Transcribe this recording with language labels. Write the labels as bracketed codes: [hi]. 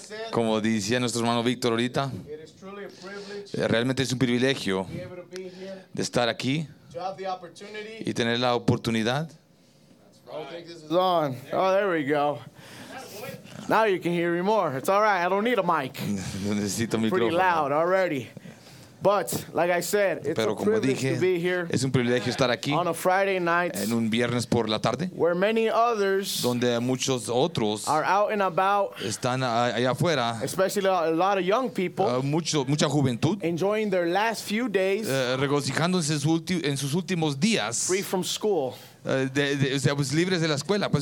[es] Como decía nuestro hermano Víctor ahorita, realmente es un privilegio de estar aquí y tener la oportunidad. [en] Oh, there we go. Now you can hear me more. It's all right. I don't need a mic. [es] Necesito micrófono. [en] Pretty loud already. But like I said, it's [es] Pero [en] a privilege [es] dije, [en] to be here. [es] Es un privilegio estar aquí [en] on a Friday night. [es] En un viernes por la tarde. [en] Where many others [es] donde muchos otros [en] are out and about. [es] Están allá afuera. [en] Especially a lot of young people. [es] Mucha juventud. [en] Enjoying their last few days. [es] Regocijándose en sus últimos días. [en] Free from school. [es] Pues libres de la escuela, pues